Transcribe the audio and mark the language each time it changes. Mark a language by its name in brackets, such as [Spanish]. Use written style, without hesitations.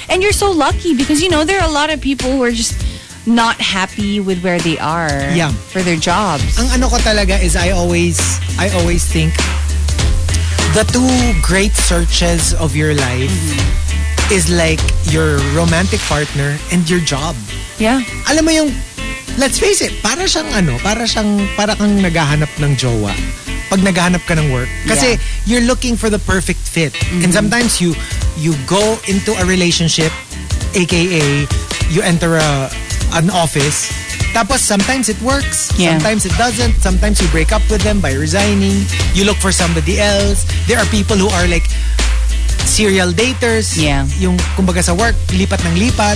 [English] And you're so lucky because, you know, there are a lot of people who are just not happy with where they are for their jobs. [Filipino] Ang ano ko talaga [English] is I always think the two great searches of your life is like your romantic partner and your job. Yeah. [Filipino] Alam mo yung, [English] let's face it, [Filipino] para siyang ano, para kang naghahanap ng jowa pag naghahanap ka ng work. [English] Kasi you're looking for the perfect fit. Mm-hmm. And sometimes you go into a relationship, aka you enter an office. [Filipino] Tapos [English] sometimes it works, sometimes it doesn't. Sometimes you break up with them by resigning. You look for somebody else. There are people who are like serial daters. Yeah. [Filipino] Yung, kumbaga sa work, lipat ng lipat.